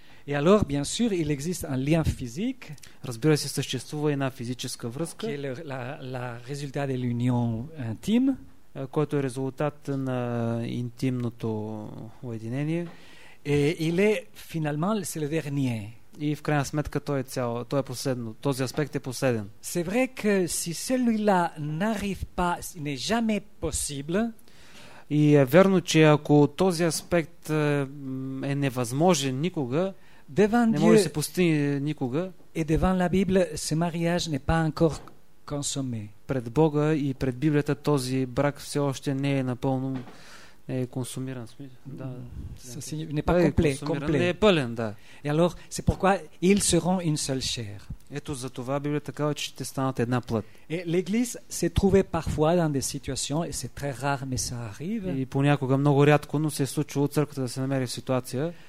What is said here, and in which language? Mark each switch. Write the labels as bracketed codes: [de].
[fr] Et alors, bien sûr, il existe un lien physique. [bg] Разбира се, съществува една физическа връзка. [fr] Qui est la résultat de l'union intime. [bg] Който е резултат на интимното уединение. Или финално се ле дерние. И в крайна сметка той е цяло, той е последно. Този аспект е последен. [fr] C'est vrai que si celui-là n'arrive pas, il n'est jamais possible. [bg] И е верно, че ако този аспект е невъзможен никога, [fr] devant [bg] не може да се постигне никога. [fr] Et devant la Bible, ce mariage n'est pas encore consommé. [bg] Пред Бога и пред Библията този брак все още не е напълно не е консумиран. Да, не е комплет, не е пълен, да. [fr] Et alors, c'est pourquoi ils seront une seule chair. [bg] Ето за това Библията казва, че ще станат една плът. [fr] Et l'église s'est trouvée parfois dans des situations et c'est très rare mais ça arrive. [bg] И понякога много рядко, но се е случило църквата да се намери в ситуация.